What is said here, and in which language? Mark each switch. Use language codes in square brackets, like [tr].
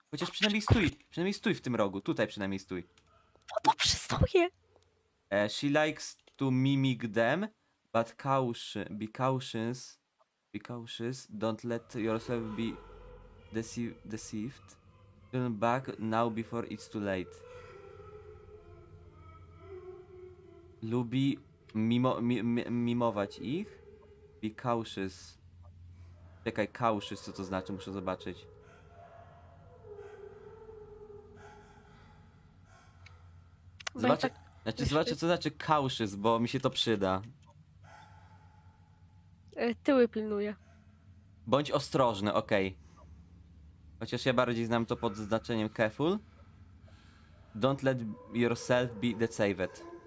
[pl] Chociaż przynajmniej stój. Przynajmniej stój w tym rogu. Tutaj przynajmniej stój. No dobrze, stoję. [en] She likes to mimic them, but be cautious, don't let yourself be deceived. Turn back now before it's too late. [pl] Lubi mimować ich. [en] Be cautious. [pl] Czekaj, cautious, co to znaczy? Muszę zobaczyć. Zobaczę, co znaczy cautious, bo mi się to przyda. Tyły pilnuję. Bądź ostrożny, okej. Okay. Chociaż ja bardziej znam to pod znaczeniem careful. [en] Don't let yourself be deceived.